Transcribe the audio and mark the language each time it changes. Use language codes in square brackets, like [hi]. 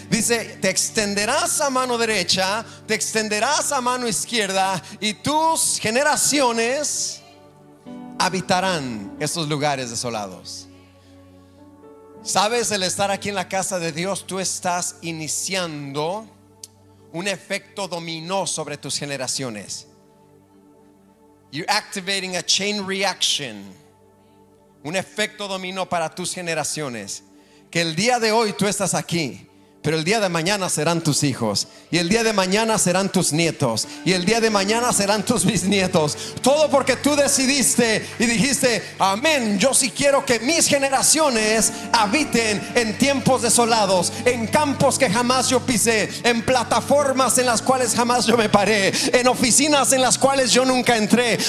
[es] Dice: te extenderás a mano derecha, te extenderás a mano izquierda, y tus generaciones habitarán esos lugares desolados. Sabes, el estar aquí en la casa de Dios, tú estás iniciando un efecto dominó sobre tus generaciones. [en] You're activating a chain reaction. [es] Un efecto dominó para tus generaciones. Que el día de hoy tú estás aquí, pero el día de mañana serán tus hijos, y el día de mañana serán tus nietos, y el día de mañana serán tus bisnietos. Todo porque tú decidiste y dijiste: amén, yo sí quiero que mis generaciones habiten en tiempos desolados, en campos que jamás yo pisé, en plataformas en las cuales jamás yo me paré, en oficinas en las cuales yo nunca entré.